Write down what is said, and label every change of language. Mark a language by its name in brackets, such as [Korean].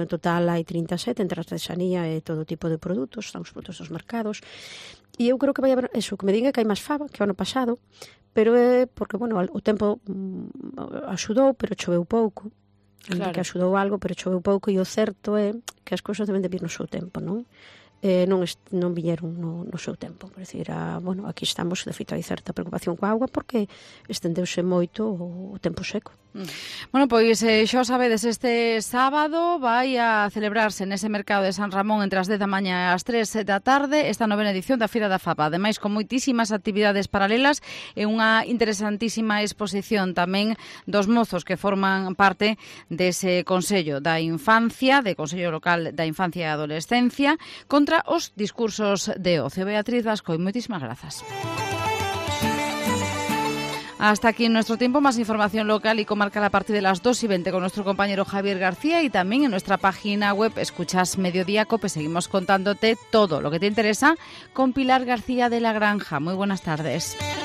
[Galician] En total hai 37, entre artesanía e todo tipo de produtos, están os produtos dos mercados. E eu creo que vai haber, eso, que me diga que hai máis fava que o ano pasado, pero é porque, bueno, o tempo axudou, pero choveu pouco. Claro. Que axudou algo, pero choveu pouco, e o certo é que as cousas deben de vir no seu tempo, non? Non viñeron no seu tempo. Por decir, aquí estamos, de feito hai certa preocupación coa agua porque estendeuse moito o tempo seco. Bueno, pois xa o sabedes, este sábado vai a celebrarse nese mercado de San Ramón entre as 10 da mañá e as 3 da tarde esta novena edición da Feira da Fava, ademais con moitísimas actividades paralelas e unha interesantísima exposición tamén dos mozos que forman parte dese Consello da Infancia, de Consello Local da Infancia e Adolescencia, contra os discursos de ocio. Beatriz Vascoi, moitísimas grazas. [Spanish] Hasta aquí en nuestro tiempo, más información local y comarcal a partir de las 2:20 con nuestro compañero Javier García y también en nuestra página web Escuchas Mediodía Cope. Seguimos contándote todo lo que te interesa con Pilar García de la Granja. Muy buenas tardes.